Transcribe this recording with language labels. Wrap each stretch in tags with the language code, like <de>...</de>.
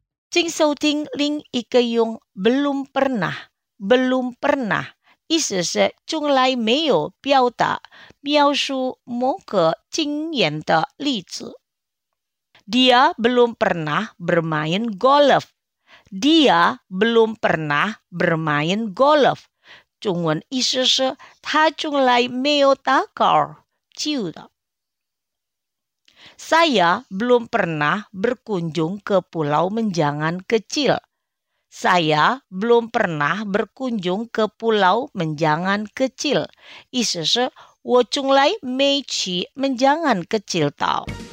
<zh>请收听另一个用</zh> <id>belum pernah, belum pernah,</id> <zh>意思是从来没有表达描述某个经验的例子。</zh> <id>Dia belum pernah bermain golf. Dia belum pernah bermain golf.</id> <zh>中文意思是他从来没有打高尔夫的。</zh> <id>Saya belum pernah berkunjung ke Pulau Menjangan Kecil. Saya belum pernah berkunjung ke Pulau Menjangan Kecil.</id> <zh>意思是我从来没去Menjangan Kecil岛。</zh>